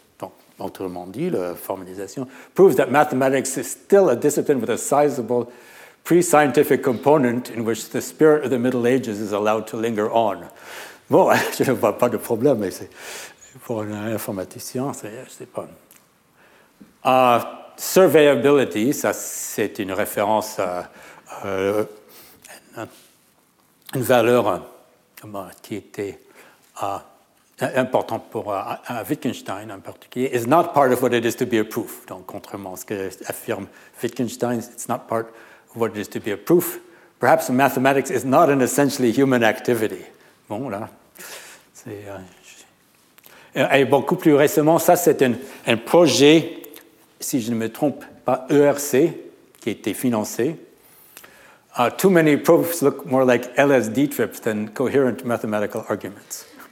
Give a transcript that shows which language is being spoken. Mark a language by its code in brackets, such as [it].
[fr] Donc, autrement dit, la formalisation [en] proves that mathematics is still a discipline with a sizable pre-scientific component in which the spirit of the Middle Ages is allowed to linger on. [fr] Bon, je ne vois pas de problème, mais pour un informaticien, c'est pas... Surveyability, ça c'est une référence à une valeur qui était importante pour Wittgenstein en particulier, [en] is not part of what it is to be a proof. [fr] Donc, contrairement à ce que affirme Wittgenstein, [en] it's not part... what it is to be a proof. Perhaps mathematics is not an essentially human activity. [fr] Bon, là, c'est... Et beaucoup plus récemment, ça, c'est un projet, si je ne me trompe pas, ERC, qui a été financé. [en] Too many proofs look more like LSD trips than coherent mathematical arguments.